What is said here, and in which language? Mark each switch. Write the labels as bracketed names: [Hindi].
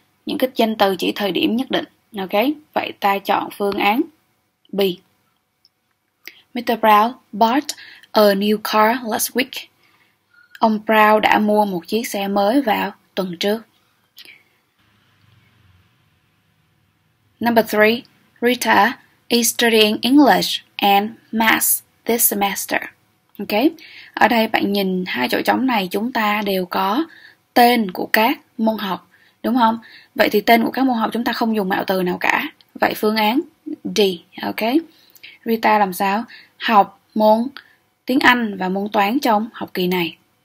[Vietnamese] Những cái danh từ chỉ thời điểm nhất định, ok? Vậy ta chọn phương án B. Mr. [English] Brown bought a new car last week. [Vietnamese] Ông Brown đã mua một chiếc xe mới vào tuần trước. [English] Number 3. Rita is studying English and math this semester. Ok. [Vietnamese] Ở đây bạn nhìn hai chỗ trống này chúng ta đều có tên của các môn học. Đúng không? Vậy thì tên của các môn học chúng ta không dùng mạo từ nào cả. Vậy phương án D. Ok. Rita làm sao? Học môn tiếng Anh và môn toán trong học kỳ này.